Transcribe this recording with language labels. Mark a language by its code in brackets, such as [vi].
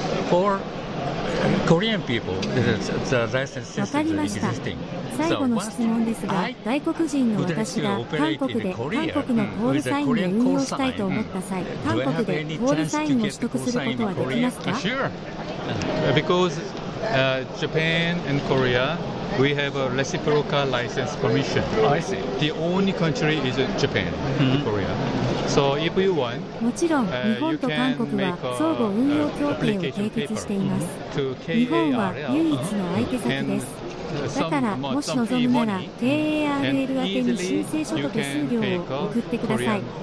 [en] For Korean people, the license system is existing. [ja] 最後の質問ですが、外国人の私が韓国で韓国のコールサインを運用したいと思った際、韓国でコールサインを取得することはできますか？ [en] Because Japan and Korea, we have a reciprocal license permission. I see. The only country is Japan, Korea. So if you want, [ja] もちろん日本と韓国は相互運用協定を締結しています。日本は唯一の相手先です。だからもし望むなら KARL 宛てに申請書と手数料を送ってください。